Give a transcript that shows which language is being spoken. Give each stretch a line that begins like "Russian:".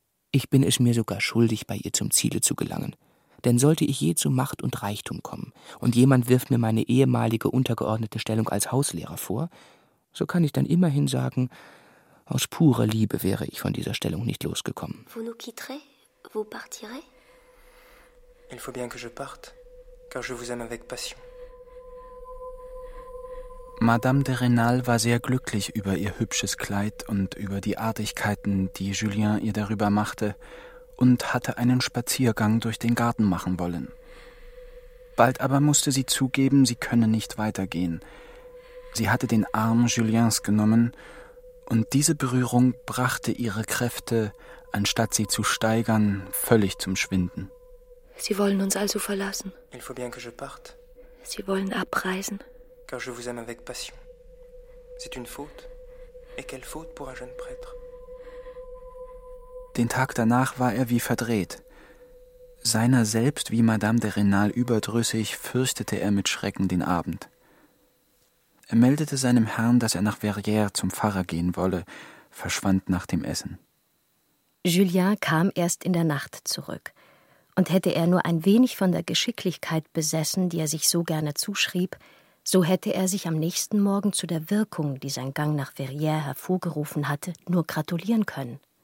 German: Ich bin es mir sogar schuldig, bei ihr zum Ziele zu gelangen. Denn sollte ich je zu Macht und Reichtum kommen und jemand wirft mir meine ehemalige untergeordnete Stellung als Hauslehrer vor, so kann ich dann immerhin sagen, aus purer Liebe wäre ich von dieser Stellung nicht losgekommen.
French: Vous nous quitterez? Vous partirez? Il faut bien que je parte, car je vous aime avec passion.
German: Madame de Rênal war sehr glücklich über ihr hübsches Kleid und über die Artigkeiten, die Julien ihr darüber machte, und hatte einen Spaziergang durch den Garten machen wollen. Bald aber musste sie zugeben, sie könne nicht weitergehen. Sie hatte den Arm Juliens genommen, und diese Berührung brachte ihre Kräfte, anstatt sie zu steigern, völlig zum Schwinden. Sie wollen uns also verlassen.
French: Il faut bien que je parte.
German: Sie wollen abreisen.
French: Car je vous aime avec passion. C'est une faute. Et quelle faute pour un jeune prêtre?
German: Den Tag danach war er wie verdreht. Seiner selbst wie Madame de Rênal überdrüssig, fürchtete er mit Schrecken den Abend. Er meldete seinem Herrn, dass er nach Verrières zum Pfarrer gehen wolle, verschwand nach dem Essen. Julien kam erst in der Nacht zurück. Und hätte er nur ein wenig von der Geschicklichkeit besessen, die er sich so gerne zuschrieb, so hätte er sich am nächsten Morgen zu der Wirkung, die sein Gang nach Verrières hervorgerufen hatte, nur gratulieren können.